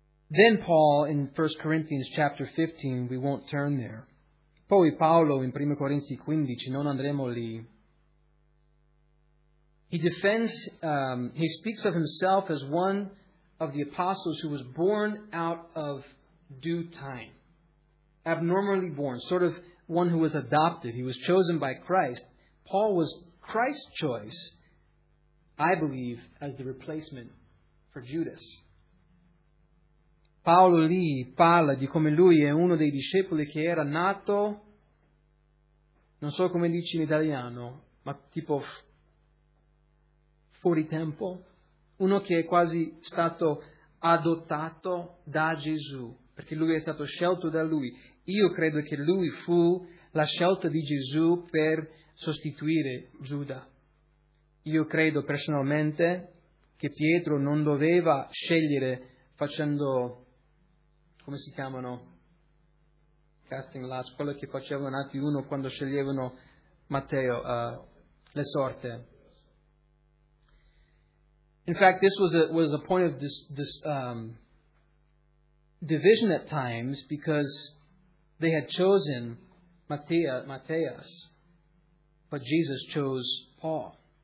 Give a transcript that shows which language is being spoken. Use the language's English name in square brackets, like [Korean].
[English] Then Paul in 1 Corinthians chapter 15, we won't turn there. [Italian] Poi Paolo in 1 Corinzi 15, non andremo lì. [English] He speaks of himself as one of the apostles who was born out of due time. Abnormally born, sort of one who was adopted. He was chosen by Christ. Paul was Christ's choice, I believe, as the replacement for Judas. [Italian] Paolo lì parla di come lui è uno dei discepoli che era nato, non so come dici in italiano, ma tipo fuori tempo, uno che è quasi stato adottato da Gesù, perché lui è stato scelto da lui. Io credo che lui fu la scelta di Gesù per sostituire Giuda. Io credo personalmente che Pietro non doveva scegliere facendo, come si chiamano, [English] casting lots, [Italian] quello che facevano anche uno quando sceglievano Matteo, le sorte. [English] In fact, this was a point of division at times, because they had chosen Matthias, but Jesus chose Paul.